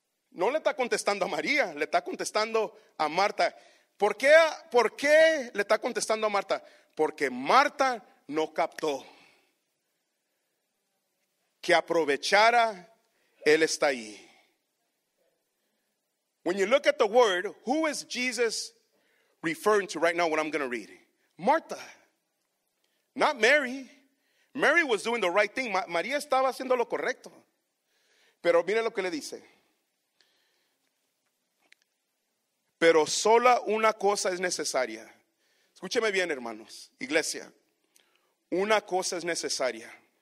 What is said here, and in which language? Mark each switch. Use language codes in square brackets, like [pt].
[es] No le está contestando a María, le está contestando a Marta. ¿Por qué le está contestando a Marta? Porque Marta no captó que aprovechara, él está ahí. [en] When you look at the word, who is Jesus referring to right now what I'm going to read? Martha. Not Mary. Mary was doing the right thing. [es] María estaba haciendo lo correcto. Pero mire lo que le dice. Pero sola una cosa es necesaria. Escúcheme bien, hermanos. Iglesia. Una cosa es necesaria.